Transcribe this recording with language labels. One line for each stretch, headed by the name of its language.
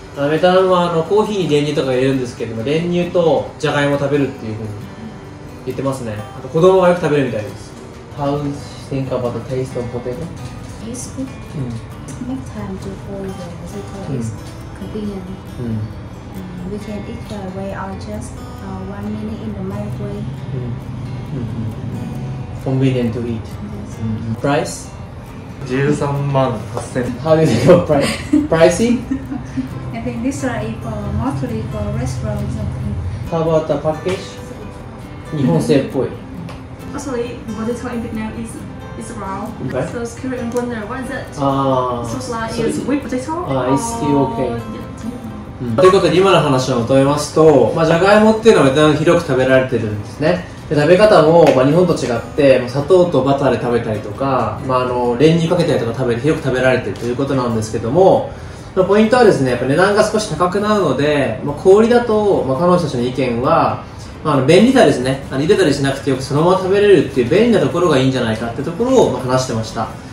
Japanese: ベトナムはコーヒーに練乳とか入れるんですけども、練乳とジャガイモ食べるっていうふうに言ってますね。あと子供がよく食べるみたいです。
English: How do you think about the taste of potato? It's good. Next time to fold it because it's convenient. We can eat that way or just 1 minute in the microwave. Convenient to eat. Yes. Price?
Japanese: 13万8000円。
English: How do you think of price? Pricey? I think this one is for mostly for restaurant or something. How about the package? So,
Japanese: 日本製っぽい。
English: Actually, what they call in Vietnam is raw. Okay. So it's curry and wonder, what is it? Ah, so it's like, so it's sweet potato? It's still okay.
Japanese: ということで今の話をまとめますと、まあ、ジャガイモっていうのはベトナム広く食べられてるんですね。で食べ方も、まあ、日本と違って、まあ、砂糖とバターで食べたりとか、まあ、あの練乳かけたりとか食べて広く食べられてるということなんですけども、ポイントはですね、やっぱ値段が少し高くなるので、まあ、氷だと、まあ、彼女たちの意見は、まあ、あの便利だですね、あの茹でたりしなくてよくそのまま食べれるっていう便利なところがいいんじゃないかっていうところを、まあ、話してました。